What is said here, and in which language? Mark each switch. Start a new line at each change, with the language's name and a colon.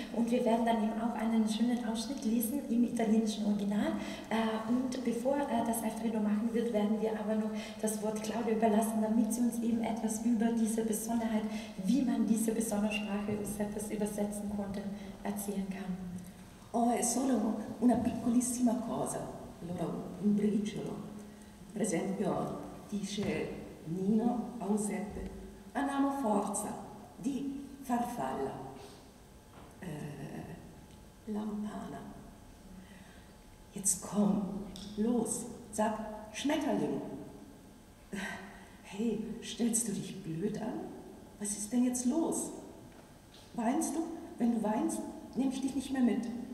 German: Und wir werden dann eben auch einen schönen Ausschnitt lesen im italienischen Original. Und bevor das Alfredo machen wird, werden wir aber noch das Wort Claudia überlassen, damit sie uns eben etwas über diese Besonderheit, wie man diese besondere Sprache Giuseppes übersetzen konnte, erzählen kann.
Italian: Oh, è solo una piccolissima cosa, allora un briciolo. Per esempio, dice Nino a Giuseppe: andiamo forza di farfalla, lampana.
German: Jetzt komm, los, sag Schmetterling. Hey, stellst du dich blöd an? Was ist denn jetzt los? Weinst du? Wenn du weinst, nehme ich dich nicht mehr mit.